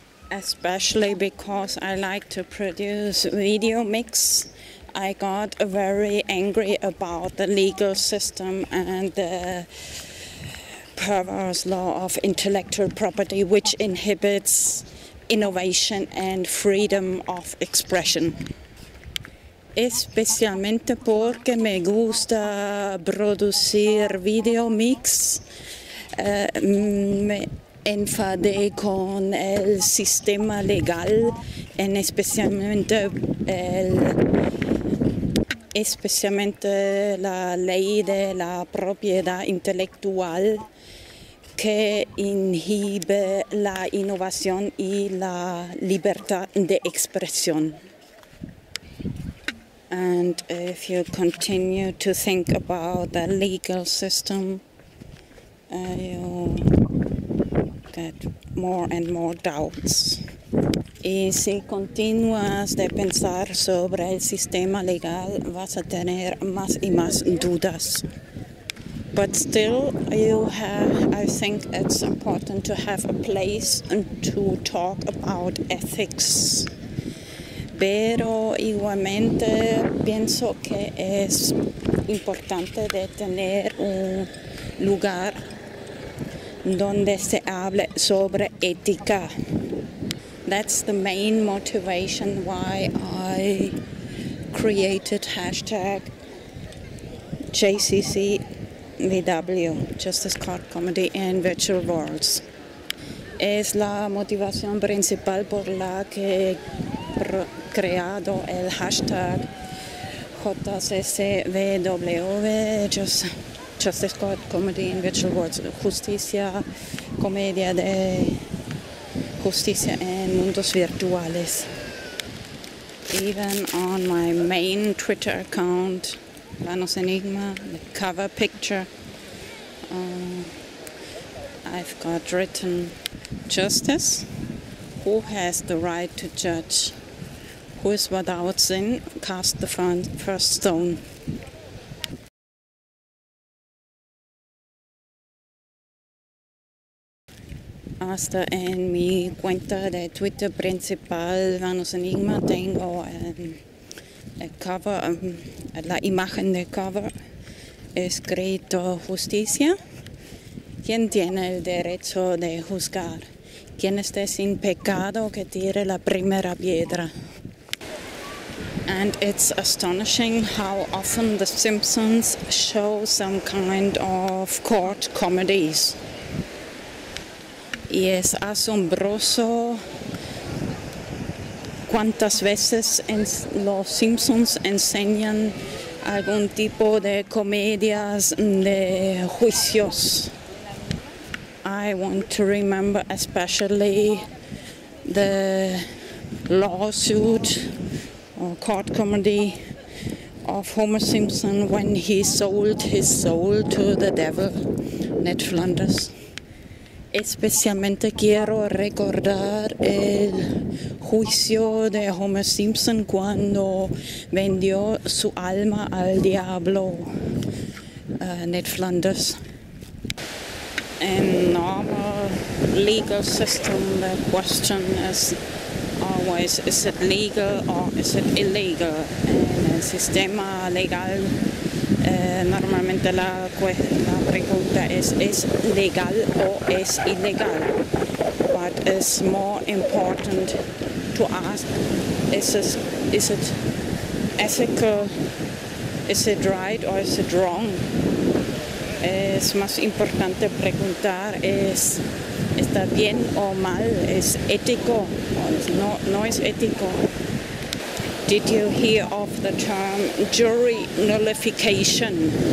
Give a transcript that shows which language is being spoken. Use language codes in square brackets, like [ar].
[en] Especially because I like to produce video mix, I got very angry about the legal system and the perverse law of intellectual property, which inhibits innovation and freedom of expression. [es] Especialmente porque me gusta producir video mix, me enfadé con el sistema legal, en especialmente la ley de la propiedad intelectual, que inhibe la innovación y la libertad de expresión. [en] And if you continue to think about the legal system, you get more and more doubts. [es] Y si continúas de pensar sobre el sistema legal, vas a tener más y más dudas. [en] But still, I think it's important to have a place to talk about ethics. [es] Pero igualmente pienso que es importante de tener un lugar donde se hable sobre ética. [en] That's the main motivation why I created hashtag JCCVW, Justice Court Comedy in Virtual Worlds. [es] Es la motivación principal por la que creado el hashtag JCCVW, Justice Court Comedy in Virtual Worlds, Justicia, Comedia de Justicia en Mundos Virtuales. [en] Even on my main Twitter account, Vanos Enigma, the cover picture, I've got written Justice, who has the right to judge? Who is without sin? Cast the first stone. [es] Hasta en mi cuenta de Twitter principal, Vanos Enigma, tengo la imagen de cover escrito Justicia. ¿Quién tiene el derecho de juzgar? ¿Quién esté sin pecado que tire la primera piedra? [en] And it's astonishing how often the Simpsons show some kind of court comedies. [es] Y es asombroso cuántas veces los Simpsons enseñan algún tipo de comedias de juicios. [en] I want to remember especially the lawsuit or court comedy of Homer Simpson when he sold his soul to the devil, Ned Flanders. [es] Especialmente quiero recordar el juicio de Homer Simpson cuando vendió su alma al diablo, Ned Flanders. [en] In normal legal system, the question is always, is it legal or is it illegal? [es] En el sistema legal, normalmente la pregunta es legal o es ilegal? [en] But it's more important to ask, is it ethical, is it right or is it wrong? [es] Es más importante preguntar, ¿está bien o mal? ¿Es ético? No es ético. [en] Did you hear of the term jury nullification?